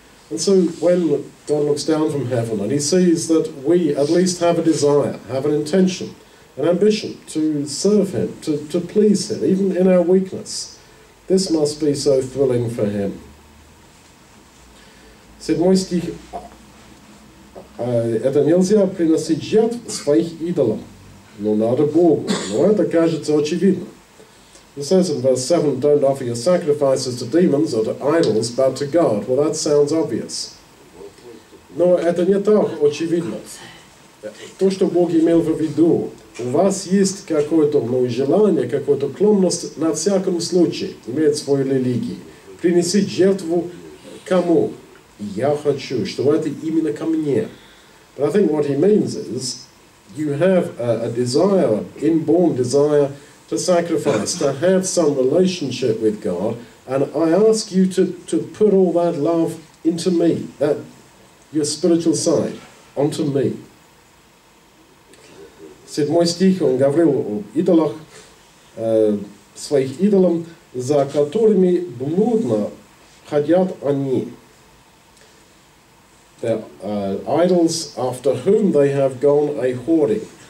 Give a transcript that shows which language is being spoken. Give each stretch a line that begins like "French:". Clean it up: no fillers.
English: And so when God looks down from heaven and he sees that we at least have a desire, have an intention, an ambition to serve Him, to please Him, even in our weakness. This must be so thrilling for Him.
Russian: Седьмой стих. Это нельзя приносить жертв своих идолам. Но надо Богу. Но это кажется очевидно.
English: It says in verse 7, don't offer your sacrifices to demons or to idols, but to God. Well, that sounds obvious.
Russian: Но это не так очевидно. То, что Бог имел в виду, у вас есть какое-то желание, какая-то склонность на всяком случае иметь свою религию. Принеси жертву кому? Я хочу, чтобы это именно ко мне.
English: But I think what he means is, you have a desire, an inborn desire to sacrifice, to have some relationship with God, and I ask you to put all that love into me, that your spiritual side, onto me.
Russian: Седьмой стих, он говорил о идолах, своих идолам, за которыми блудно ходят они.
English: The idols after whom they have gone a-whoring.